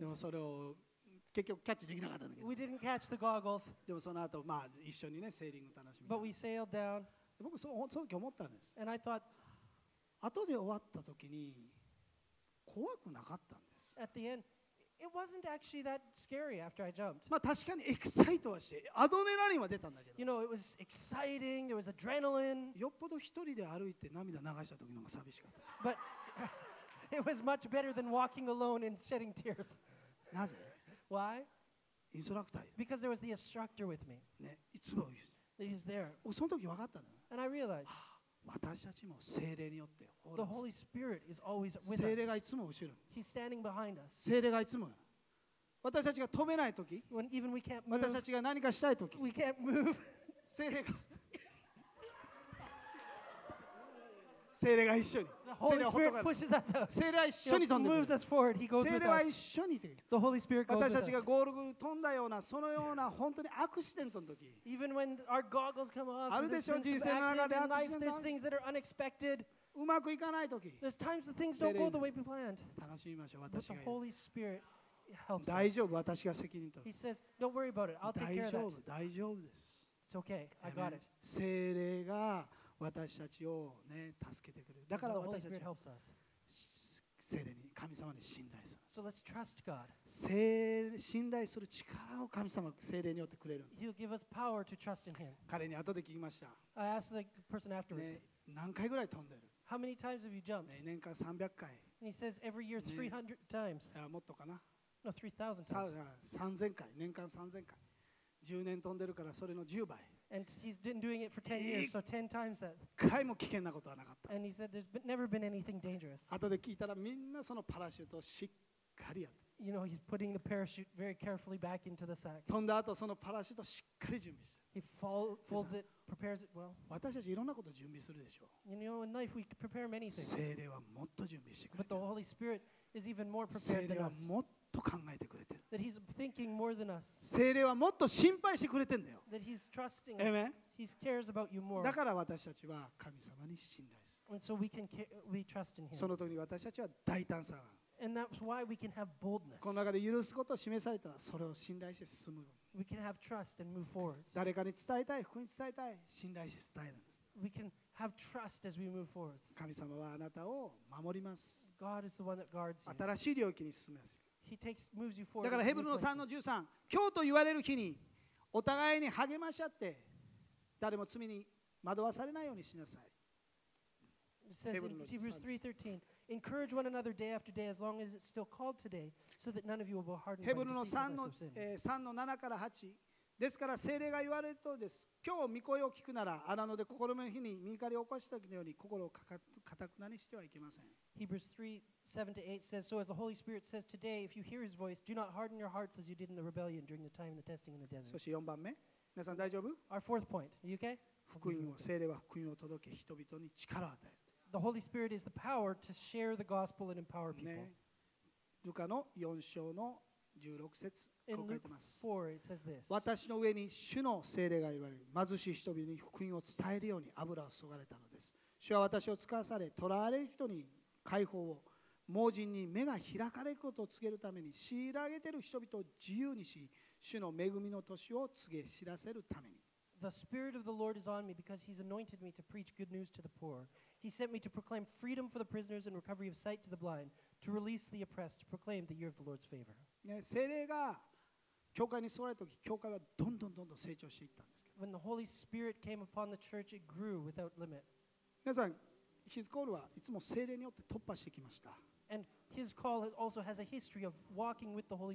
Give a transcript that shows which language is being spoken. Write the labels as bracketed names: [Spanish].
[Japanese] でもそれを結局キャッチできなかったんだけど。 [English] We didn't catch the goggles. [Japanese] でもその後、まあ、一緒にね、セーリング楽しみ。 [English] But we sailed down. [Japanese] 僕その時思ったんです。 [English] And I thought, [Japanese] 後で終わった時に怖くなかったんです。 [English] At the end, it wasn't actually that scary after I jumped. [Japanese] まあ確かにエキサイトはして、アドレナリンは出たんだけど。 [English] You know, it was exciting. There was adrenaline. [Japanese] よっぽど一人で歩いて涙流した時の方が寂しかった。 [English] But it was much better than walking alone and shedding tears. [Japanese] なぜ？ [English] Why? [Japanese] インストラクターいる。 [English] Because there was the instructor with me. [Japanese] ね、いつも。 [English] He's there. [Japanese] その時分かったの。 [English] And I realized. [Japanese] 私たちも聖霊によって。 [English] The Holy Spirit is always with us. [Japanese] 聖霊がいつも後ろ。 [English] He's standing behind us. [Japanese] 聖霊がいつも。私たちが止めない時。 [English] When even we can't move. [Japanese] 私たちが何かしたい時。 [English] We can't move. [Japanese] 聖霊が。聖霊が一緒に。 [English] The Holy Spirit pushes us out. [Japanese] 聖霊は一緒に飛んでくる。 [English] Moves us forward. He goes with us. [Japanese] 聖霊は一緒にで。 [English] The Holy Spirit goes with us. [Japanese] 私たちがゴーグル飛んだようなそのような本当にアクシデントの時。 [English] Even when our goggles come off. [Japanese] あるでしょ人生の中でアクシデント。 [English] There's things that are unexpected. [Japanese] うまくいかない時。 [English] There's times that things don't go the way we planned. [Japanese] 楽しみましょう私が。 [English] But the Holy Spirit helps us. [Japanese] 大丈夫私が責任取る。 [English] He says, "Don't worry about it. I'll take care of that." [Japanese] 大丈夫大丈夫です。 [English] It's okay. I got it. [Japanese] 聖霊が私たちを、ね、助けてくれる。だから私たちは聖霊に神様に信頼する。 [English] So let's trust God. [Japanese] 信頼する力を神様聖霊によってくれる。 [English] He'll give us power to trust in Him. [Japanese] 彼に後で聞きました。 [English] I asked the person afterwards. [Japanese] 何回ぐらい飛んでる [English] ？How many times have you jumped？ [Japanese] 年間300回。 [English] And he says every year 300 times. [Japanese] いやもっとかな。 [English] No, 3,000 times. 3,000 [Japanese] 回年間3,000回。 10年飛んでるからそれの10倍。 [English] And he's been doing it for 10 years, so 10 times that. [Japanese] 一回も危険なことはなかった。 [English] And he said there's never been anything dangerous. [Japanese] 後で聞いたらみんなそのパラシュートをしっかりやって。 [English] You know, he's putting the parachute very carefully back into the sack. [Japanese] 飛んだ後そのパラシュートをしっかり準備して。 [English] He folds it, prepares it well. [Japanese] 私たちいろんなこと準備するでしょう。 [English] You know, in life we prepare many things. [Japanese] 聖霊はもっと準備してくれてる。 [English] But the Holy Spirit is even more prepared than us. [Japanese] 聖霊はもっと考えてくれてる。 [English] That he's thinking more than us. [Japanese] 聖霊はもっと心配してくれてるんだよ。 [English] That he's trusting us. He cares about you more. [Japanese] だから私たちは神様に信頼する。 [English] And so we trust in him. [Japanese] その時に私たちは大胆さが。 [English] And that's why we can have boldness. [Japanese] この中で許すことを示されたらそれを信頼して進む。 [English] We can have trust and move forward. [Japanese] 誰かに伝えたい、福音に伝えたい、信頼して伝えるんです。 [English] We can have trust as we move forward. [Japanese] 神様はあなたを守ります。 [English] God is the one that guards you. [Japanese] 新しい領域に進みます。 [English] He takes, moves you forward. [Japanese] だからヘブルの3の13、今日と言われる日にお互いに励まし合って誰も罪に惑わされないようにしなさい。 [English] It says in Hebrews 3:13, encourage one another day after day as long as it's still called today, so that none of you will be hardened by deceitfulness of sin. [Japanese] ヘブルの3の7から8。ですから聖霊が言われるとです。今日御声を聞くなら、あなので心の日に御怒りを起こした時のように心をかたくなにしてはいけません。 [English] Hebrews 3:7-8 says, So as the Holy Spirit says today, if you hear his voice, do not harden your hearts as you did in the rebellion during the time of the testing in the desert. [Japanese] そして4番目。皆さん大丈夫? [English] Our fourth point. Are you okay? [Japanese] 福音を、聖霊は福音を届け人々に力を与える。 [English] The Holy Spirit is the power to share the gospel and empower people. [Japanese] ね、ルカの4章の16節ここ書いてます [English] 。 4, it says this. [Japanese] 私の上に主の聖霊が言われる。貧しい人々に福音を伝えるように油を注がれたのです。主は私を使わされ、囚われる人に解放を、盲人に目が開かれることを告げるために、強いられている人々を自由にし、主の恵みの年を告げ知らせるために。 [English] The Spirit of the Lord is on me because He's anointed me to preach good news to the poor. He sent me to proclaim freedom for the prisoners and recovery of sight to the blind, to release the oppressed, to proclaim the year of the Lord's favor. [Japanese] ね、聖霊が教会に座られた時、教会はどんどんどんどん成長していったんですけど。 [English] When the Holy Spirit came upon the church, it grew without limit. [Japanese] 皆さん、His call はいつも聖霊によって突破してきました。 [English] And His call also has a history of walking with the Holy Spirit.